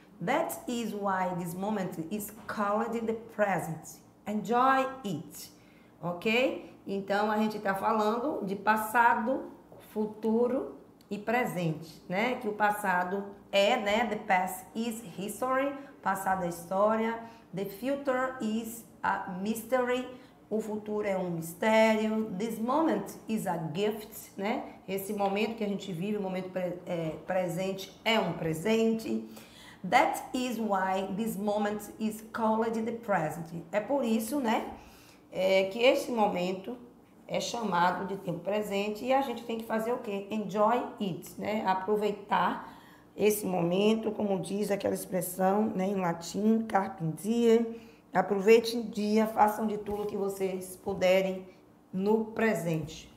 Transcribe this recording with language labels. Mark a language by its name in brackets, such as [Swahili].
[English] That is why this moment is called the present. Enjoy it. Ok? [Portuguese] Então a gente está falando de passado, futuro e presente, né? Que o passado é, né? [English] The past is history, [Portuguese] passado é história. [English] The future is a mystery, [Portuguese] o futuro é um mistério. [English] This moment is a gift, né? [Portuguese] Esse momento que a gente vive, o momento presente, é um presente. [English] That is why this moment is called the present. [Portuguese] É por isso, né, que este momento é chamado de tempo presente e a gente tem que fazer o quê? [English] Enjoy it, [Portuguese] né? Aproveitar esse momento, como diz aquela expressão, né, em latim, carpe diem. Aproveite o dia, façam de tudo que vocês puderem no presente.